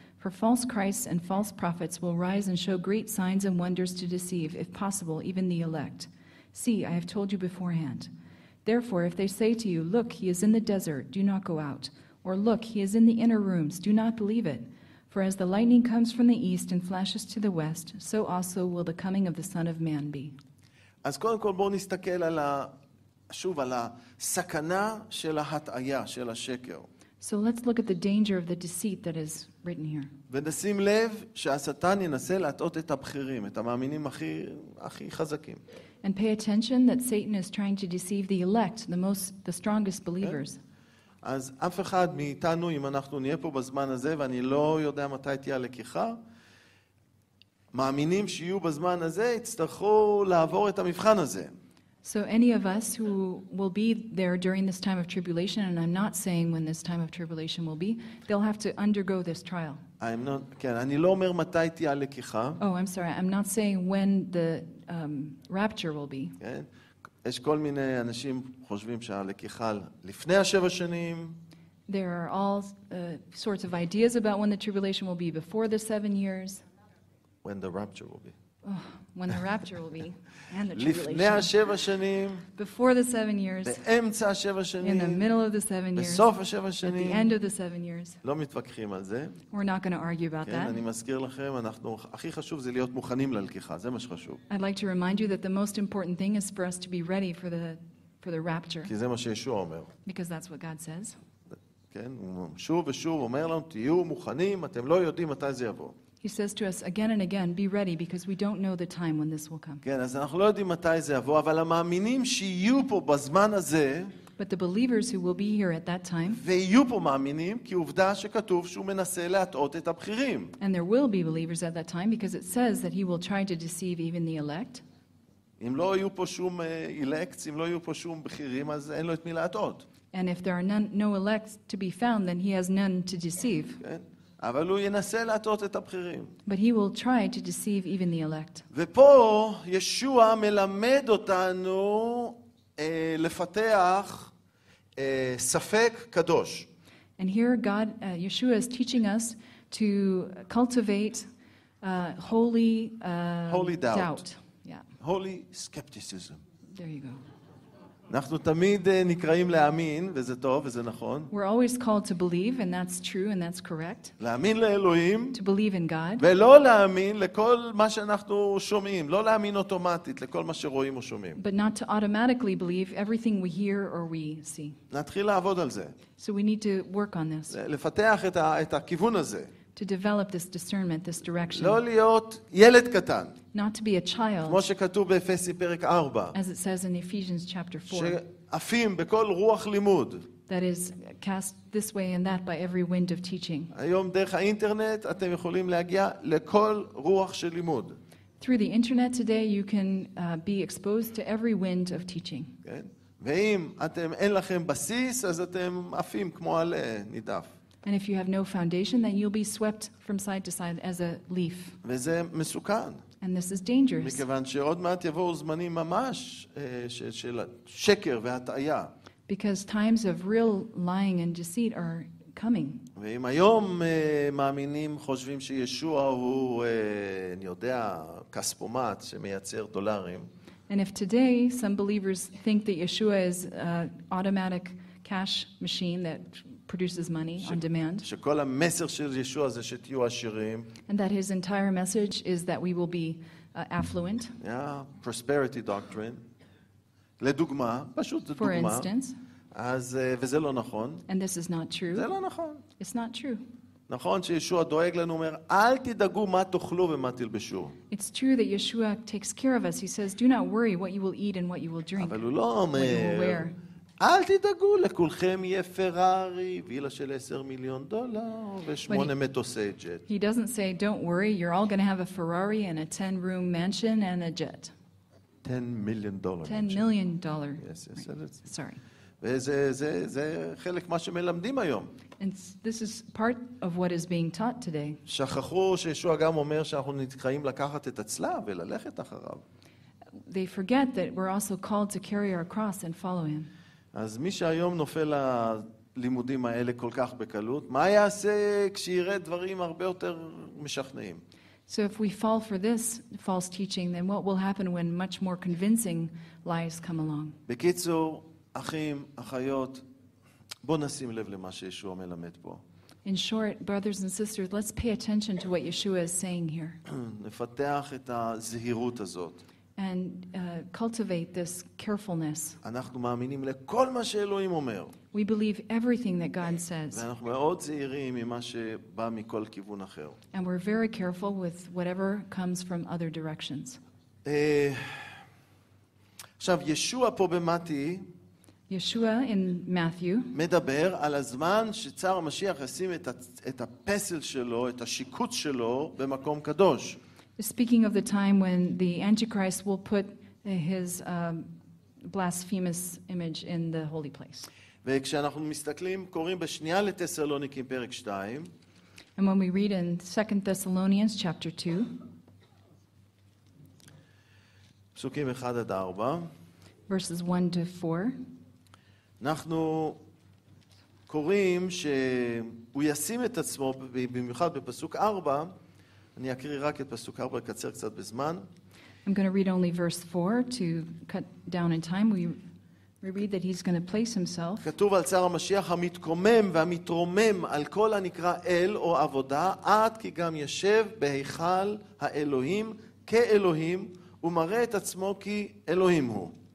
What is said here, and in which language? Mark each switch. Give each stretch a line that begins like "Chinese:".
English: For false Christs and false prophets will rise and show great signs and wonders to deceive, if possible, even the elect. See, I have told you beforehand. Therefore, if they say to you, look, he is in the desert, do not go out. Or look, he is in the inner rooms, do not believe it. For as the lightning comes from the east and flashes to the west, so also will the coming of the Son of Man be.
Hebrew: אז קודם כל בואו נסתכל על שוב על הסכנה של ההטעיה, של השקר.
English: So let's look at the danger of the deceit that is written here.
Hebrew: ונשים לב שהשטן ינסה להטעות את הבחירים, את המאמינים הכי חזקים.
English: And pay attention that Satan is trying to deceive the elect, the strongest believers. Okay.
Hebrew: אז אף אחד מאיתנו, אם אנחנו נהיה פה בזמן הזה, ואני לא יודע מתי תהיה הלקיחה, מאמינים שיהיו בזמן הזה, יצטרכו לעבור את המבחן הזה.
English: So any of us who will be there during this time of tribulation, and I'm not saying when this time of tribulation will be, they'll have to undergo this trial.
Hebrew: כן, אני לא אומר מתי תהיה הלקיחה.
English: Oh, I'm sorry, I'm not saying when the rapture will be.
Hebrew: כן. יש כל מיני אנשים חושבים שהלקיחה לפני השבע שנים.
English: There are all sorts of ideas about when the tribulation will be before the 7 years. When the rapture will be. When the rapture will be and the tribulation.
Hebrew: לפני השבע שנים.
English: Before the 7 years.
Hebrew: באמצע השבע שנים.
English: In the middle of the 7 years.
Hebrew: בסוף השבע שנים.
English: At the end of the 7 years.
Hebrew: לא מתווכחים על זה.
English: We're not going to argue about that.
Hebrew: כן, אני מזכיר לכם, אנחנו הכי חשוב זה להיות מוכנים ללקיחה, זה מה שחשוב.
English: I'd like to remind you that the most important thing is for us to be ready for the rapture.
Hebrew: כי זה מה שישוע אומר.
English: Because that's what God says.
Hebrew: כן, שוב ושוב אומר לנו תהיו מוכנים, אתם לא יודעים מתי זה יבוא.
English: He says to us again and again, be ready because we don't know the time when this will come.
Hebrew: כן, אז אנחנו לא יודעים מתי זה יבוא, אבל המאמינים שיהיו פה בזמן הזה,
English: But the believers who will be here at that time.
Hebrew: ויהיו פה מאמינים, כי עובדה שכתוב שהוא מנסה להטעות את הבחירים.
English: And there will be believers at that time because it says that he will try to deceive even the elect.
Hebrew: אם לא יהיו פה שום elects, אם לא יהיו פה שום בחירים, אז אין לו את מי להטעות.
English: And if there are no elects to be found, then he has none to deceive.
Hebrew: כן. אבל הוא ינסה להטעות את הבחירים.
English: But he will try to deceive even the elect.
Hebrew: ופה ישוע מלמד אותנו לפתח ספק קדוש.
English: And here God Yeshua is teaching us to cultivate holy doubt. Yeah. Holy skepticism. There you go.
Hebrew: אנחנו תמיד נקראים להאמין, וזה טוב וזה נכון.
English: We're always called to believe and that's true and that's correct.
Hebrew: להאמין לאלוהים.
English: To believe in God.
Hebrew: ולא להאמין לכל מה שאנחנו שומעים, לא להאמין אוטומטית לכל מה שרואים או שומעים.
English: But not to automatically believe everything we hear or we see.
Hebrew: נתחיל לעבוד על זה.
English: So we need to work on this.
Hebrew: לפתח את הכיוון הזה.
English: To develop this discernment, this direction.
Hebrew: לא להיות ילד קטן.
English: Not to be a child.
Hebrew: כמו שכתוב באפסי פרק 4.
English: As it says in Ephesians chapter 4.
Hebrew: שעפים בכל רוח לימוד.
English: That is cast this way and that by every wind of teaching.
Hebrew: היום דרך האינטרנט אתם יכולים להגיע לכל רוח של לימוד.
English: Through the internet today you can be exposed to every wind of teaching.
Hebrew: כן. ואם אתם אין לכם בסיס אז אתם עפים כמו על נידף.
English: And if you have no foundation then you'll be swept from side to side as a leaf.
Hebrew: וזה מסוכן.
English: And this is dangerous.
Hebrew: מכיוון שעוד מעט יבואו זמנים ממש של שקר והטעיה.
English: Because times of real lying and deceit are coming.
Hebrew: ואם היום מאמינים חושבים שישוע הוא אני יודע כספומט שמייצר דולרים.
English: And if today some believers think that Yeshua is an automatic cash machine that produces money on demand.
Hebrew: שכל המסר של ישוע זה שתהיו עשירים.
English: And that his entire message is that we will be affluent. Yeah, prosperity doctrine.
Hebrew: לדוגמה, פשוט לדוגמה.
English: For instance.
Hebrew: אז וזה לא נכון.
English: And this is not true.
Hebrew: זה לא נכון.
English: It's not true.
Hebrew: נכון שישוע דואג לנו אומר אל תדאגו מה תאכלו ומה תלבשו.
English: It's true that Yeshua takes care of us. He says do not worry what you will eat and what you will drink.
Hebrew: אבל הוא לא אומר אל תדאגו לכולכם יהיה פרארי וילה של 10 מיליון דולר ושמונה מטוסי ג'ט.
English: He doesn't say don't worry you're all going to have a Ferrari and a 10 room mansion and a jet. 10 million dollar. 10 million dollar. Yes, right. Sorry.
Hebrew: וזה חלק מה שמלמדים היום.
English: And this is part of what is being taught today.
Hebrew: שכחו שישוע גם אומר שאנחנו נתקעים לקחת את הצלב וללכת אחריו.
English: They forget that we're also called to carry our cross and follow him.
Hebrew: אז מי שהיום נופל ללימודים האלה כל כך בקלות, מה יעשה כשיראה דברים הרבה יותר משכנעים?
English: So if we fall for this false teaching, then what will happen when much more convincing lies come along?
Hebrew: בקיצור, אחים, אחיות, בוא נשים לב למה שישוע מלמד פה.
English: In short, brothers and sisters, let's pay attention to what Yeshua is saying here.
Hebrew: נפתח את הזהירות הזאת.
English: And cultivate this carefulness.
Hebrew: אנחנו מאמינים לכל מה שאלוהים אומר.
English: We believe everything that God says.
Hebrew: ואנחנו מאוד זהירים ממה שבא מכל כיוון אחר.
English: And we're very careful with whatever comes from other directions.
Hebrew: עכשיו ישוע פה במתי.
English: Yeshua in Matthew.
Hebrew: מדבר על הזמן שצר המשיח ישים את הפסל שלו, את השיקוץ שלו במקום קדוש.
English: Speaking of the time when the Antichrist will put his blasphemous image in the holy place.
Hebrew: וכשאנחנו מסתכלים קוראים בשנייה לתסלוניקים פרק 2.
English: And when we read in 2 Thessalonians chapter 2.
Hebrew: פסוקים 1 עד 4.
English: Verses 1 to 4.
Hebrew: אנחנו קוראים שהוא ישים את עצמו במיוחד בפסוק 4. אני אקריא רק את פסוק 4 לקצר קצת בזמן.
English: I'm going to read only verse 4 to cut down in time. We read that he's going to place himself.
Hebrew: כתוב על צר המשיח המתקומם והמתרומם על כל הנקרא אל או עבודה עד כי גם ישב בהיכל האלוהים כאלוהים ומראה את עצמו כי אלוהים הוא.